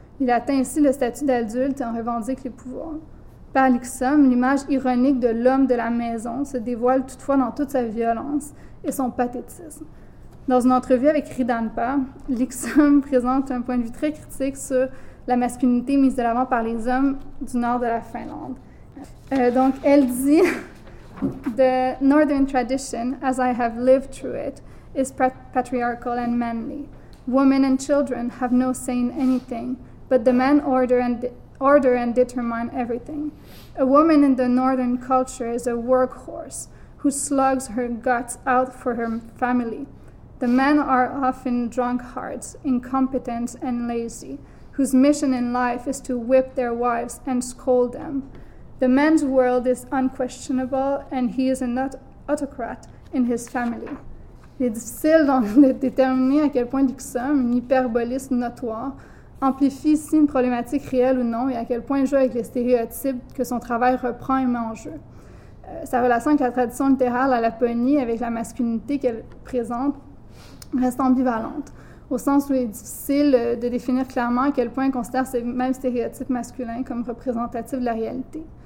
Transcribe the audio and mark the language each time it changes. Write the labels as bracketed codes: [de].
[fr] Il atteint ainsi le statut d'adulte et en revendique les pouvoirs. Par l'Ixum, l'image ironique de l'homme de la maison se dévoile toutefois dans toute sa violence et son pathétisme. Dans une entrevue avec Ridanpa, l'Ixum présente un point de vue très critique sur la masculinité mise de l'avant par les hommes du nord de la Finlande. Donc, elle dit... [en] The northern tradition, as I have lived through it, is patriarchal and manly. Women and children have no say in anything, but the men order and determine everything. A woman in the northern culture is a workhorse who slugs her guts out for her family. The men are often drunkards, incompetent and lazy, whose mission in life is to whip their wives and scold them. The man's world is unquestionable and he is an autocrat in his family. [fr] Il est difficile de déterminer à quel point Dixon, un hyperboliste notoire, amplifie ici une problématique réelle ou non et à quel point il joue avec les stéréotypes que son travail reprend et met en jeu. Sa relation avec la tradition littérale à Laponie, avec la masculinité qu'elle présente, reste ambivalente, au sens où il est difficile de définir clairement à quel point il considère ces mêmes stéréotypes masculins comme représentatifs de la réalité.